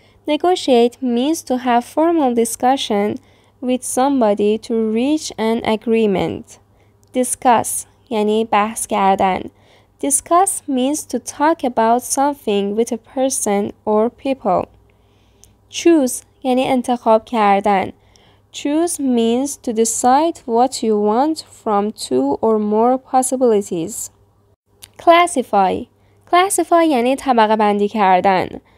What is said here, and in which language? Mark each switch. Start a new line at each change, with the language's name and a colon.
English: Negotiate means to have formal discussion with somebody to reach an agreement. Discuss
Persian: یعنی بحث کردن.
English: Discuss means to talk about something with a person or people.
Persian: Choose یعنی انتخاب کردن.
English: Choose means to decide what you want from two or more possibilities. Classify.
Persian: Classify یعنی طبقه بندی کردن.